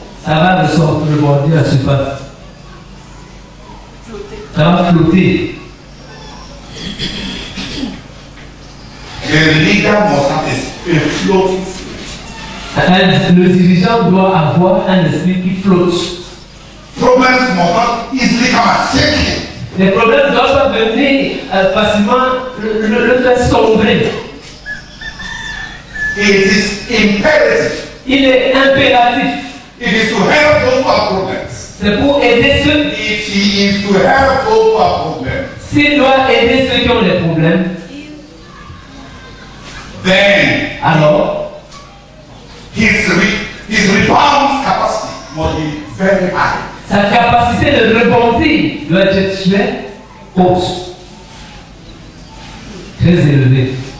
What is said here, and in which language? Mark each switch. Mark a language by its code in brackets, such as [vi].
[fr] Ça va rebondir à la surface. Flotter. Ça va flotter. [en] The leader must have a floating spirit. [fr] Le dirigeant doit avoir un esprit qui flotte. [en] Problems must not easily come and sink him. [fr] Les problèmes ne doivent pas venir facilement le faire sombrer. [en] It is imperative. [fr] Il est impératif. [en] It is to help those who have problems. [fr] C'est pour aider ceux. [en] It is to help those who have problems. [fr] S'il doit aider ceux qui ont des problèmes. [en] Then. [fr] Alors. [en] His rebound capacity must be very high. [fr] Sa capacité de rebondir doit être très haute, très élevée.